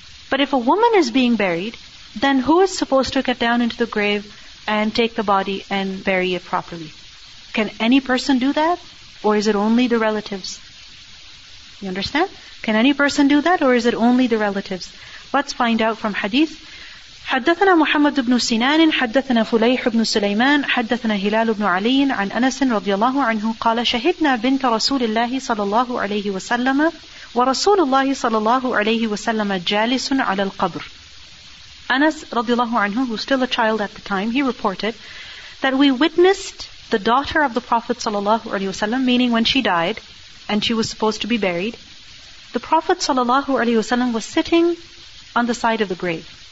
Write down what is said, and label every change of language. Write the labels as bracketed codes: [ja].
[en] But if a woman is being buried, then who is supposed to get down into the grave and take the body and bury it properly? Can any person do that? Or is it only the relatives? You understand? Can any person do that, or is it only the relatives? Let's find out from hadith. [ar] حدثنا محمد بن سنان حدثنا فليح بن سليمان حدثنا هلال بن علي عن أنس رضي الله عنه قال شهدنا بنت رسول الله صلى الله عليه وسلم ورسول الله صلى الله عليه وسلم جالس على القبر. [en] Anas رضي الله عنه, who was still a child at the time, he reported that we witnessed the daughter of the Prophet صلى الله عليه وسلم, meaning when she died and she was supposed to be buried, the Prophet صلى الله عليه وسلم was sitting on the side of the grave.